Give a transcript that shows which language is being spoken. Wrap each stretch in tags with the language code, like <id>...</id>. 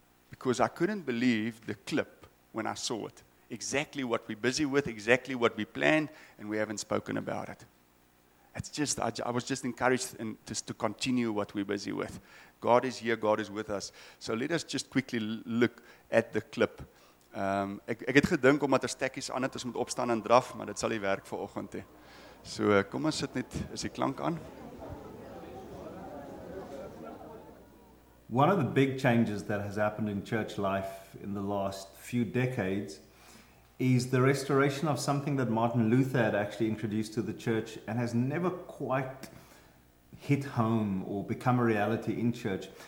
<en>Because I couldn't believe the clip when I saw it. Exactly what we're busy with, exactly what we planned, and we haven't spoken about it. It's just, I was just encouraged and just to continue what we're busy with. God is here, God is with us. So let us just quickly look at the clip.</en> <af>Ek het gedink omdat ons tekkies aan het, ons moet opstaan en draf, maar dit sal nie werk vir oggend hê. So kom ons sit net, is die klank aan?</af> <en>One of the big changes that has happened in church life in the last few decades is the restoration of something that Martin Luther had actually introduced to the church and has never quite hit home or become a reality in church.</en>